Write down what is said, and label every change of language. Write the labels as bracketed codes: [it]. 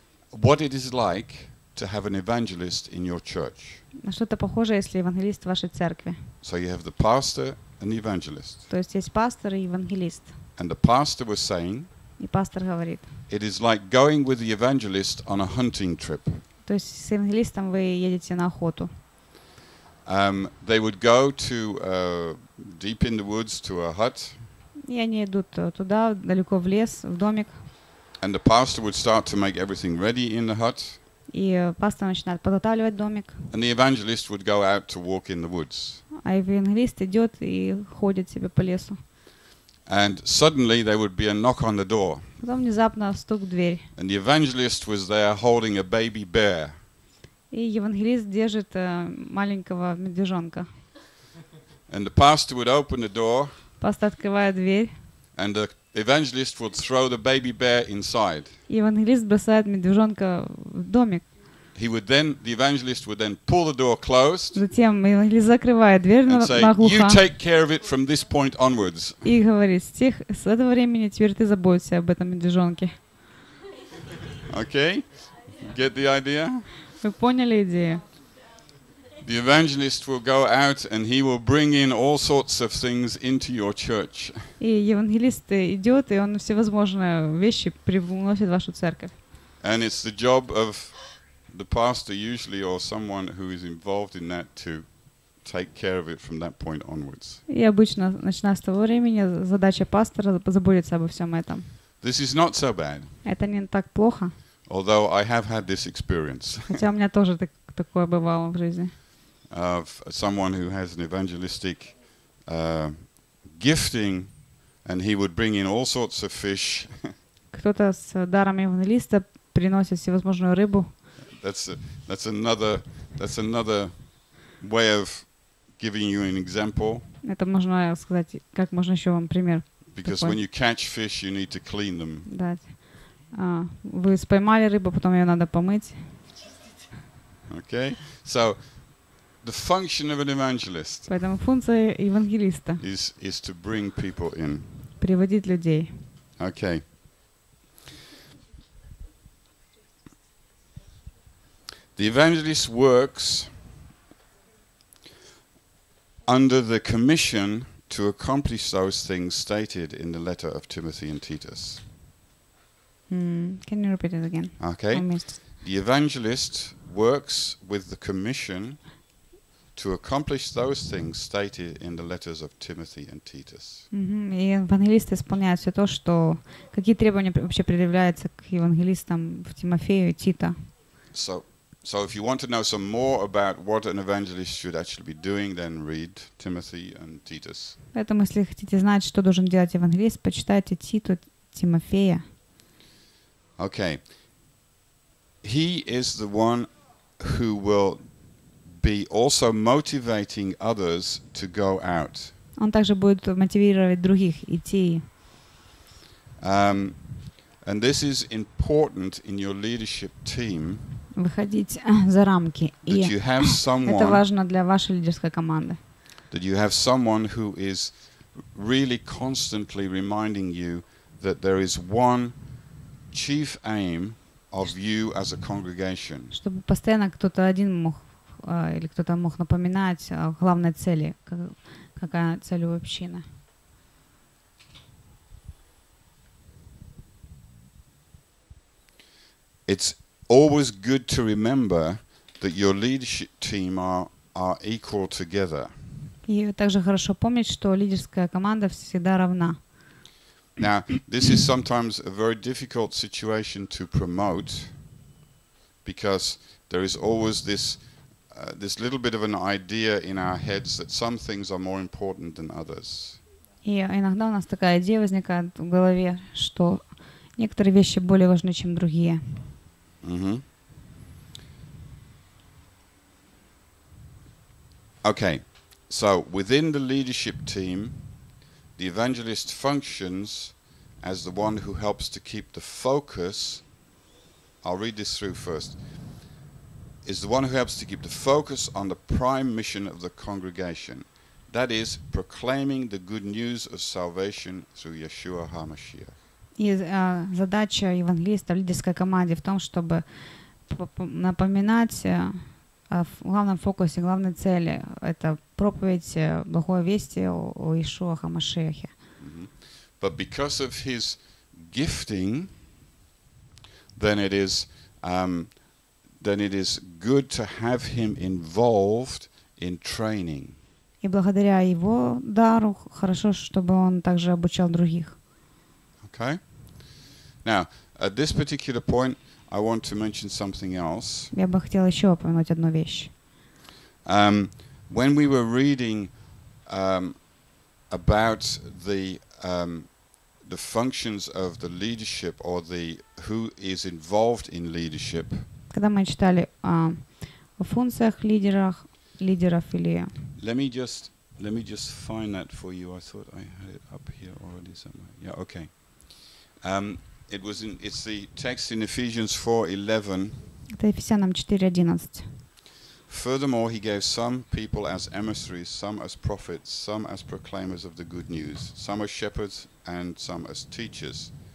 [en] What it is like to have an evangelist in your church. [ru] Что-то похожее, если евангелист в вашей церкви. [en] So you have the pastor and the evangelist. [ru] То есть есть пастор и евангелист. [en] And the pastor was saying, [ru] и пастор говорит, [en] it is like going with the evangelist on a hunting trip. [ru] То есть с евангелистом вы едете на охоту. [en] They would go to deep in the woods to a hut. [ru] И они идут туда, далеко в лес, в домик. [en] And the pastor would start to make everything ready in the hut. [ru] И пастор начинает подготавливать домик. [en] And the evangelist would go out to walk in the woods. [ru] А евангелист идет и ходит себе по лесу. [en] And suddenly there would be a knock on the door. [ru] Потом внезапно стук в дверь. [en] And the evangelist was there holding a baby bear. [ru] И евангелист держит маленького медвежонка. [en] And the pastor would open the door. [ru] Пастор открывает дверь. [en] And the evangelist would throw the baby bear inside. [ru] И евангелист бросает медвежонка в домик. [en] He would then, the evangelist would then pull the door closed. [ru] Затем евангелист закрывает дверь наглухо. [en] And say, you take care of it from this point onwards. [ru] И говорит, с этого времени теперь ты заботься об этом медвежонке. [en] Okay, get the idea? [ru] Вы поняли идею? [en] The evangelist will go out and he will bring in all sorts of things into your church. [ru] И евангелист идет, и он всевозможные вещи привносит в вашу церковь. [en] And it's the job of the pastor usually or someone who is involved in that to take care of it from that point onwards. [ru] И обычно, начиная с того времени, задача пастора заботиться обо всем этом. [en] This is not so bad. [ru] Это не так плохо. [en] Although I have had this experience. [ru] Хотя у меня тоже такое бывало в жизни. [en] Of someone who has an evangelistic gifting and he would bring in all sorts of fish. [ru] Кто-то с даром евангелиста приносит всевозможную рыбу. [en] That's another way of giving you an example. [ru] Это можно сказать, как можно еще вам пример. [en] Because when you catch fish, you need to clean them. [ru] Да. Вы поймали рыбу, потом ее надо помыть. [en] Okay. So the function of an evangelist. [ru] Поэтому функция евангелиста. [en] Is to bring people in. [ru] Приводить людей. [en] Okay. The evangelist works under the commission to accomplish those things stated in the letter of Timothy and Titus. Can you repeat it again? Okay. I missed. The evangelist works with the commission to accomplish those things stated in the letters of Timothy and Titus. [ru] И евангелист исполняет все то, что какие требования вообще предъявляются к евангелистам в Тимофею и Тита. [en] So if you want to know some more about what an evangelist should actually be doing, then read Timothy and Titus. [ru] Поэтому если хотите знать, что должен делать евангелист, почитайте Титу, Тимофея. [en] Okay. He is the one who will be also motivating others to go out. [ru] Он также будет мотивировать других идти. [en] And this is important in your leadership team. [ru] Выходить за рамки. [en] That you have someone, [ru] это важно для вашей лидерской команды. [en] That you have someone who is really constantly reminding you that there is one chief aim of you as a congregation. [ru] Чтобы постоянно кто-то один мог или кто-то мог напоминать о главной цели, какая цель у общины. [en] It's always good to remember that your leadership team are equal together. [ru] И также хорошо помнить, что лидерская команда всегда равна. [en] Now, this is sometimes a very difficult situation to promote because there is always this little bit of an idea in our heads that some things are more important than others. [ru] И иногда у нас такая идея возникает в голове, что некоторые вещи более важны, чем другие. [en] Okay. So within the leadership team, the evangelist functions as the one who helps to keep the focus. I'll read this through first. Is the one who helps to keep the focus on the prime mission of the congregation, that is, proclaiming the good news of salvation through Yeshua HaMashiach. [ru] И задача евангелиста в лидерской команде в том, чтобы напоминать о главном фокусе, главной цели. Это проповедь Благой Вести о Иешуа ха-Машиахе. [en] But because of his gifting, then it is good to have him involved in training. [ru] И благодаря его дару хорошо, чтобы он также обучал других. [en] Okay. Now, at this particular point, I want to mention something else. [ru] Я бы хотела еще упомянуть одну вещь. [en] When we were reading about the functions of the leadership or the who is involved in leadership. [ru] Когда мы читали о функциях лидеров или. [en] Let me just find that for you. I thought I had it up here already somewhere. Yeah. Okay. It's the text in Ephesians 4:11. [ru] Это Ефесянам 4:11. [en] Furthermore, he gave some people as emissaries, some as prophets, some as proclaimers of the good news, some as shepherds, and some as teachers.